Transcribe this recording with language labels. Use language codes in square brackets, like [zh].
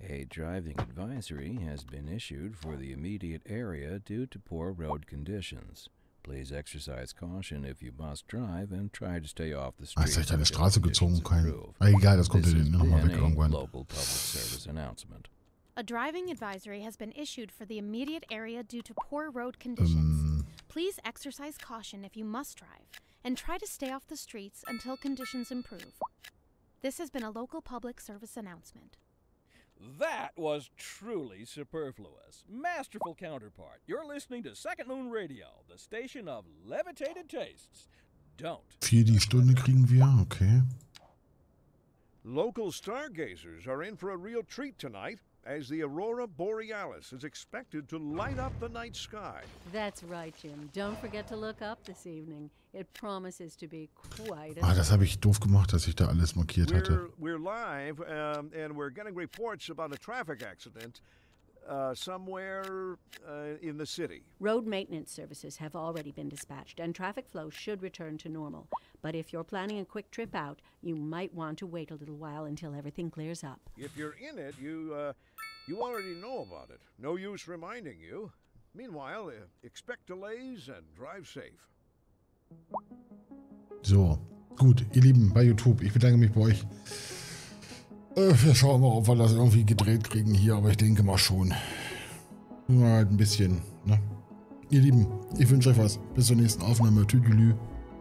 [en] Driving advisory has been issued for the immediate area due to poor road conditions. Please exercise caution if you must drive and try to stay off the street. [de] Ah, ich habe eine Straße gezogen, kein. Egal, das kommt dann noch mal weg irgendwann. [en] Local public service announcement. A driving advisory has been issued for the immediate area due to poor road conditions. Please exercise caution if you must drive and try to stay off the streets until conditions improve. This has been a local public service announcement. That was truly superfluous. Masterful counterpart. You're listening to Second Moon Radio, the station of levitated tastes. Don't. [de] 4 die Stunde kriegen wir, okay. [en] Local stargazers are in for a real treat tonight, as the Aurora Borealis is expected to light up the night sky. That's right, Jim. Don't forget to look up this evening. It promises to be quite [de] a... Ah, das habe ich doof gemacht, dass ich da alles markiert hatte. [en] We're live, and we're getting reports about a traffic accident somewhere in the city. Road maintenance services have already been dispatched, and traffic flow should return to normal. But if you're planning a quick trip out, you might want to wait a little while until everything clears up. If you're in it, you already know about it. No use reminding you. Meanwhile, expect delays and drive safe. [de] So, gut, ihr Lieben bei YouTube, ich bedanke mich bei euch. Wir schauen mal, ob wir das irgendwie gedreht kriegen hier, aber ich denke mal schon. Nur halt ein bisschen, ne? Ihr Lieben, ich wünsche euch was. Bis zur nächsten Aufnahme. Tüdelü.